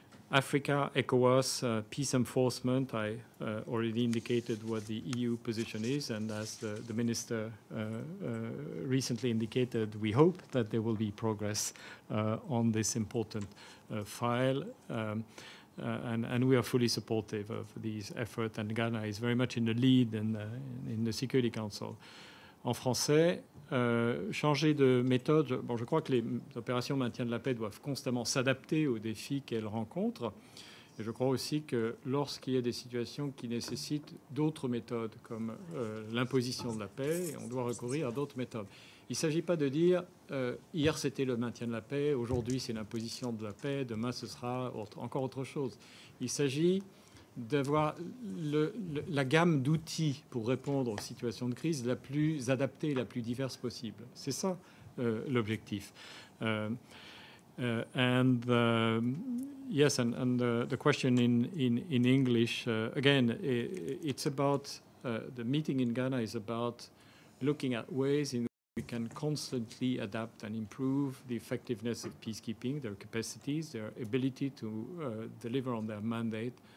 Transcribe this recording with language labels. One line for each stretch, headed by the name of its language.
English: Africa, ECOWAS, peace enforcement, I already indicated what the EU position is, and as the minister recently indicated, we hope that there will be progress on this important file, and we are fully supportive of these efforts, and Ghana is very much in the lead in the Security Council.
French: En français, changer de méthode. Bon, je crois que les opérations maintien de la paix doivent constamment s'adapter aux défis qu'elles rencontrent. Et je crois aussi que lorsqu'il y a des situations qui nécessitent d'autres méthodes, comme l'imposition de la paix, on doit recourir à d'autres méthodes. Il ne s'agit pas de dire hier c'était le maintien de la paix, aujourd'hui c'est l'imposition de la paix, demain ce sera encore autre chose. Il s'agit d'avoir la gamme d'outils pour répondre aux situations de crise la plus adaptée et la plus diverse possible. C'est ça l'objectif.
English: The question in English, again, it's about the meeting in Ghana is about looking at ways in which we can constantly adapt and improve the effectiveness of peacekeeping, their capacities, their ability to deliver on their mandate.